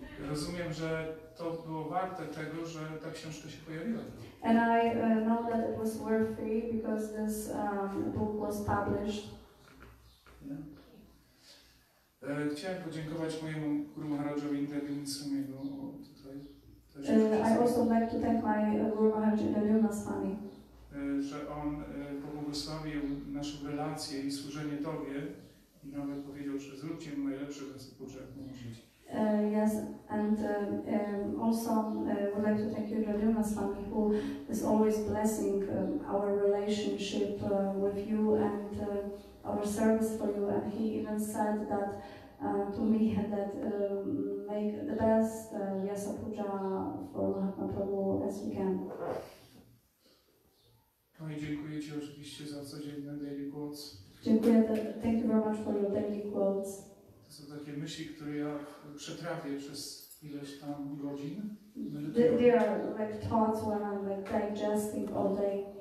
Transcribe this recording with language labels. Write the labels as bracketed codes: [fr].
[pl] Rozumiem, że to było warte tego, że ta książka się pojawiła. [en] And I know that it was worth it because this book was published. [pl] Chciałem podziękować mojemu Guru Maharajowi Indriyamisvamiego tutaj. [en] I also like to thank my Guru Maharaj Indriyamisvami. [pl] Że on pobłogosławił naszą relację i służenie Tobie i nawet powiedział, że zróbcie mi najlepsze wysypucze, jak możecie. [en] Yes, and also would like to thank you, Radhima Swami, who is always blessing our relationship with you and our service for you. And he even said that to me that make the best Vyasa-puja for Mahatma Prabhu as we can. [pl] I dziękuję ci oczywiście za codzienne [en] daily quotes. [pl] Dziękuję, [en] thank you very much for your daily quotes. [pl] To są takie myśli, które ja przetrawię przez ileś tam godzin. [en] They are like thoughts when I'm like digesting all day.